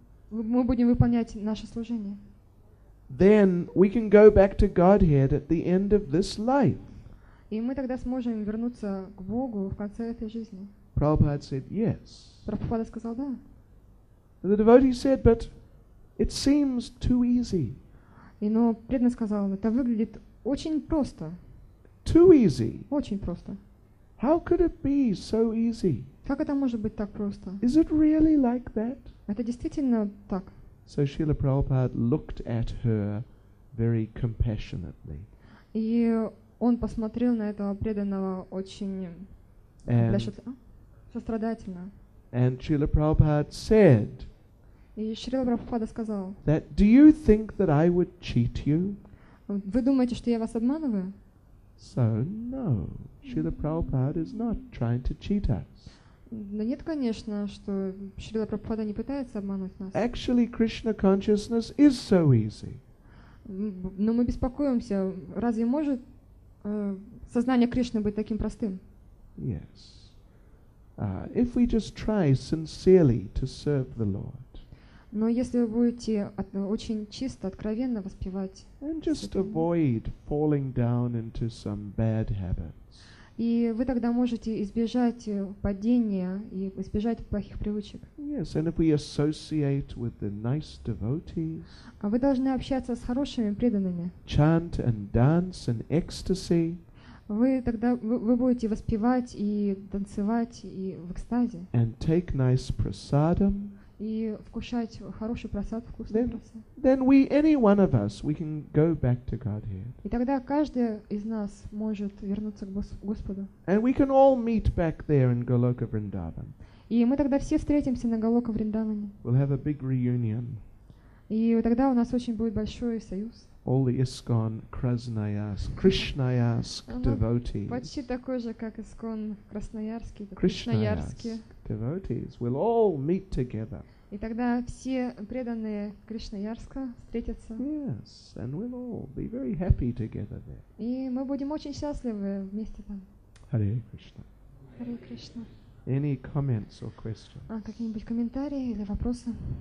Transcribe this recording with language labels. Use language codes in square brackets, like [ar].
[ru] Мы будем выполнять наше служение. [en] Then we can go back to Godhead at the end of this life. [ru] И мы тогда сможем вернуться к Богу в конце этой жизни. [en] Prabhupada said yes. [ru] Прабхупада сказал да. [en] The devotee said, but it seems too easy. [ru] И но преданный сказал, это выглядит очень просто. [en] Too easy. [ru] Очень просто. [en] How could it be so easy? [ru] Как это может быть так просто? [en] Is it really like that? [ru] Это действительно так? [en] So Srila Prabhupada looked at her very compassionately. [ru] И он посмотрел на этого преданного очень сострадательно. [en] And Srila Prabhupada said. [ru] И Шрила Прабхупада сказал. [en] That do you think that I would cheat you? [ru] Вы думаете, что я вас обманываю? [en] So no. Srila Prabhupada is not trying to cheat us. [ru] Но нет, конечно, что Шрила Прабхупада не пытается обмануть нас. [en] Actually, Krishna consciousness is so easy. [ru] Но мы беспокоимся. Разве может сознание Кришны быть таким простым? [en] Yes. If we just try sincerely to serve the Lord. [ru] Но если вы будете очень чисто, откровенно воспевать. [en] And just avoid falling down into some bad habits. [ru] И вы тогда можете избежать падения и избежать плохих привычек. [en] Yes, and if we associate with the nice devotees. [ru] А вы должны общаться с хорошими преданными. [en] Chant and dance and ecstasy. [ru] Вы будете воспевать и танцевать и в экстазе. [en] And take nice prasadam. [ru] И вкушать хороший просад, вкусный просад. [en] Then we, any one of us, we can go back to Godhead. [ru] И тогда каждый из нас может вернуться к Господу. [en] And we can all meet back there in Goloka Vrindavan. [ru] И мы тогда все встретимся на Голока Вриндаване. [en] We'll have a big reunion. [ru] И тогда у нас очень будет большой союз. [en] All the ISKCON Krasnoyarsk, Krishnayarsk devotees. [ru] Почти такой же, как ISKCON Красноярский, [en] Krishnayarsk devotees. We'll all meet together. [ru] И тогда все преданные Кришнаярска встретятся. [en] Yes, and we'll all be very happy together there. [ru] И мы будем очень счастливы вместе там. [en] Hare Krishna. Hare Krishna. Any comments or questions? [ru] А какие-нибудь комментарии или вопросы?